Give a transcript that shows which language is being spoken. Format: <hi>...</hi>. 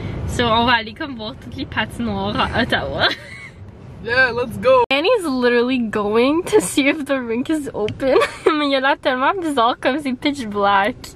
<fr>So on va aller comme voir toutes les patinoires à Ottawa.</fr> <en>Yeah, let's go. Annie's literally going to see if the rink is open.</en> <fr>Mais il a l'air tellement bizarre comme c'est</fr> <en>pitch black.</en>